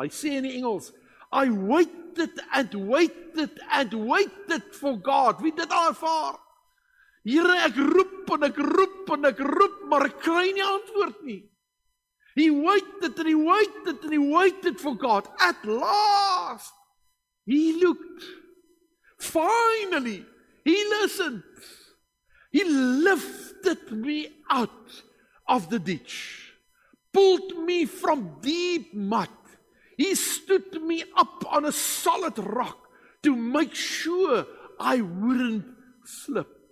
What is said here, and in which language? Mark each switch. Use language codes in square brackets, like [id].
[af] Hy sê in die Engels, [en] I waited and waited and waited for God. [af] Wie dit al ervaar? Here, ek roep en ek roep en ek roep, maar ek kry nie antwoord nie. [en] He waited and he waited and he waited for God. At last, he looked. Finally, he listened. He lifted me out of the ditch. Pulled me from deep mud. He stood me up on a solid rock to make sure I wouldn't slip.